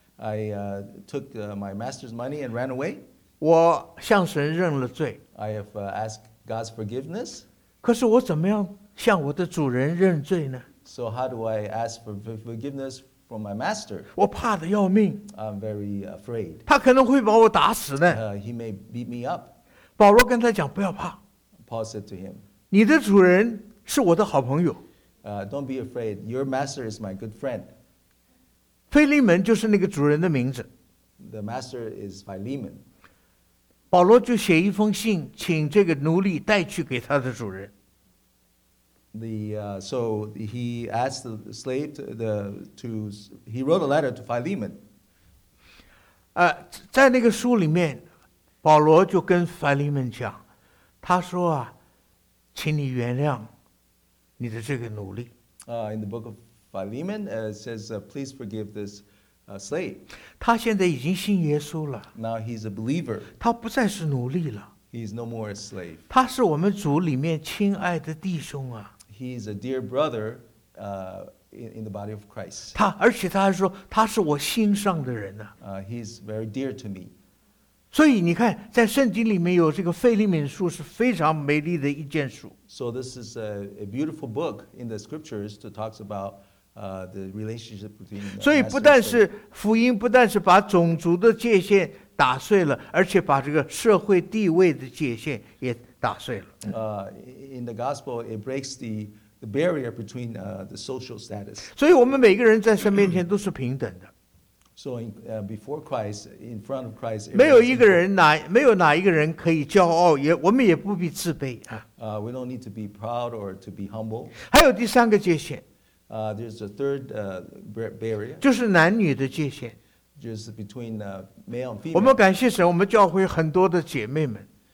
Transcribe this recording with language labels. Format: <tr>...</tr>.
<en>I took my master's money and ran away.</en> <zh>我向神认了罪。</zh> <en>I have asked God's forgiveness.</en> <zh>可是我怎么样向我的主人认罪呢</zh> <en>？So how do I ask for forgiveness from my master?</en> <zh>我怕得要命。</zh> <en>I'm very afraid.</en> <zh>他可能会把我打死呢。</zh> <en>He may beat me up.</en> <zh>保罗跟他讲不要怕。</zh> <en>Paul said to him,</en> <zh>你的主人是我的好朋友。</zh> <en>Don't be afraid. Your master is my good friend.</en> <zh>腓利门就是那个主人的名字。</zh> <en>The master is Philemon.</en> <zh>保罗就写一封信，请这个奴隶带去给他的主人。</zh> <en>So he asked the slave he wrote a letter to Philemon.</en> <zh>在那个书里面，保罗就跟腓利门讲，他说啊，请你原谅你的这个奴隶。</zh> <en>In the book of Philemon, it says, please forgive this slave.</en> <zh>他现在已经信耶稣了。</zh> <en>Now he's a believer.</en> <zh>他不再是奴隶了。</zh> <en>He's no more a slave.</en> <zh>他是我们主里面亲爱的弟兄啊。</zh> <en>He's a dear brother, in the body of Christ.</en> <zh>他而且他还说他是我心上的人啊。</zh> <en>He's very dear to me.</en> <zh>所以你看在圣经里面有这个腓立敏书是非常美丽的一卷书。</zh> <en>So this is a beautiful book in the scriptures to talk about the relationship between the</en> <zh>所以不但是福音不但是把种族的界限打碎了而且把这个社会地位的界限也打碎了。</zh> <en>In the gospel, it breaks the barrier between the social status.</en> <zh>所以我们每个人在神面前都是平等的。</zh> <en>So before Christ, in front of Christ,</en> <zh>没有一个人哪没有哪一个人可以骄傲，也我们也不必自卑啊。</zh> <en>We don't need to be proud or to be humble.</en> <zh>还有第三个界限。</zh> <en>There's a third barrier.</en> <zh>就是男女的界限。</zh> <en>Just between male and female.</en> <zh>我们感谢神，我们教会很多的姐妹们。</zh>